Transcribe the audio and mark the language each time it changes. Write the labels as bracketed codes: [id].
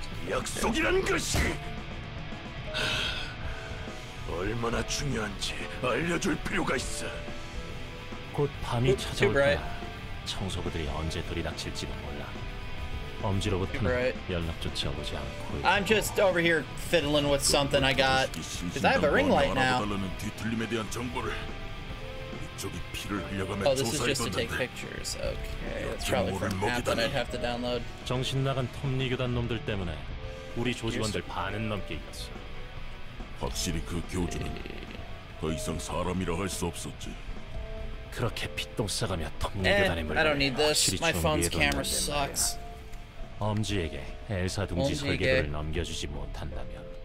[ko] 약속이란 것이 얼마나 중요한지 알려줄 필요가 있어. 곧 밤이 찾아올 거야. 청소부들이 언제 들이닥칠지도 몰라. 엄지로부터는 연락조차 오지 않고. [en] I'm just over here fiddling with something I got. 'Cause I have a ring light now. [ko] 뒤틀림에 대한 정보를 저기 피를 흘려가며 조사했었는데. [en] Oh, this is just to take pictures. Okay, that's probably from an app that I'd have to download. [ko] 정신 나간 톱니 교단 놈들 때문에 우리 조직원들 반은 넘게 잃었어. 확실히 그 교주는 더 이상 사람이라 할 수 없었지. 그렇게 피똥 싸가며 톱니 교단에 몰려 확실히 준비해뒀는데 엄지에게 엘사 둥지 설계도를 넘겨주지 못한다면